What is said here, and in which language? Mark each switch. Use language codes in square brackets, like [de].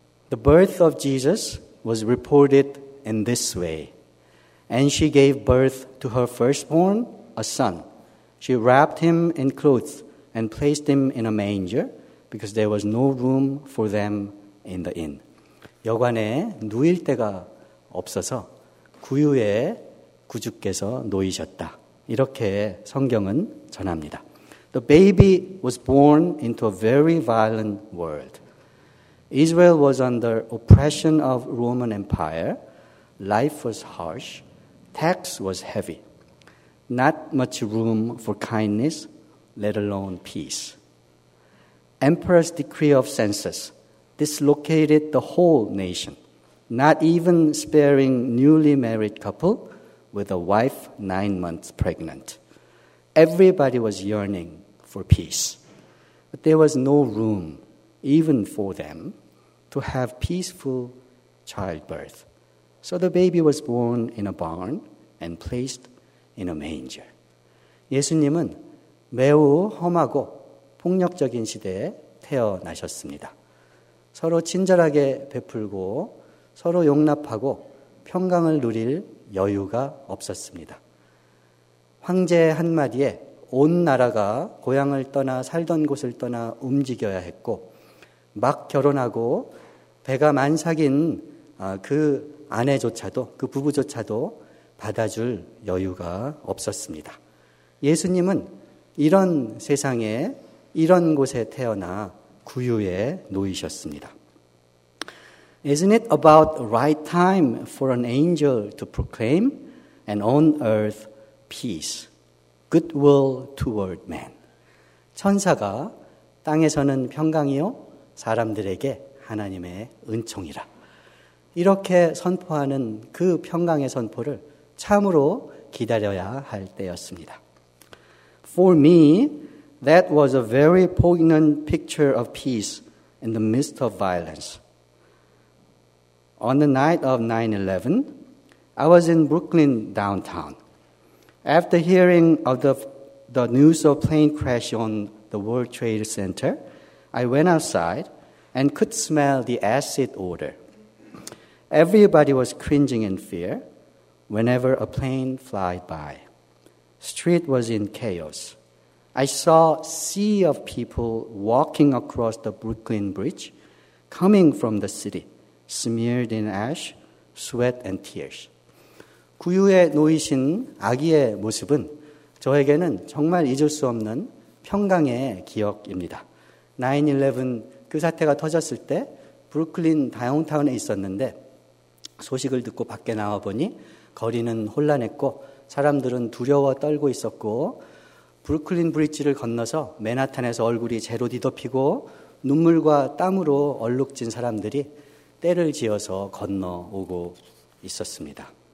[en] The birth of Jesus was reported in this way. And she gave birth to her firstborn, a son. She wrapped him in clothes and placed him in a manger because there was no room for them in the inn. [ko] 여관에 누일 데가 없어서 구유에 구주께서 놓이셨다. 이렇게 성경은 전합니다. [en] The baby was born into a very violent world. Israel was under oppression of Roman Empire. Life was harsh. Tax was heavy. Not much room for kindness, let alone peace. Emperor's decree of census dislocated the whole nation, not even sparing newly married couple with a wife 9 months pregnant. Everybody was yearning for peace. But there was no room, even for them, to have peaceful childbirth. So the baby was born in a barn and placed in a manger. [ko] 예수님은 매우 험하고 폭력적인 시대에 태어나셨습니다. 서로 친절하게 베풀고 서로 용납하고 평강을 누릴 여유가 없었습니다. 황제 한마디에 온 나라가 고향을 떠나 살던 곳을 떠나 움직여야 했고 막 결혼하고 배가 만삭인 그 아내조차도 그 부부조차도 받아줄 여유가 없었습니다. 예수님은 이런 세상에 이런 곳에 태어나 구유에 놓이셨습니다. [en] Isn't it about right time for an angel to proclaim and on earth peace, goodwill toward man? [ko] 천사가 땅에서는 평강이요 사람들에게 하나님의 은총이라 이렇게 선포하는 그 평강의 선포를 참으로 기다려야 할 때였습니다. [en] For me, that was a very poignant picture of peace in the midst of violence. On the night of 9/11, I was in Brooklyn downtown. After hearing of the news of plane crash on the World Trade Center, I went outside and could smell the acid odor. Everybody was cringing in fear whenever a plane flew by. Street was in chaos. I saw a sea of people walking across the Brooklyn Bridge, coming from the city, smeared in ash, sweat and tears. [ko] 구유에 놓이신 아기의 모습은 저에게는 정말 잊을 수 없는 평강의 기억입니다. 9/11 그 사태가 터졌을 때 브루클린 다운타운에 있었는데 소식을 듣고 밖에 나와보니 거리는 혼란했고 사람들은 두려워 떨고 있었고 브루클린 브릿지를 건너서 맨하탄에서 얼굴이 제로 뒤덮이고 눈물과 땀으로 얼룩진 사람들이 때를 지어서 건너오고 있었습니다.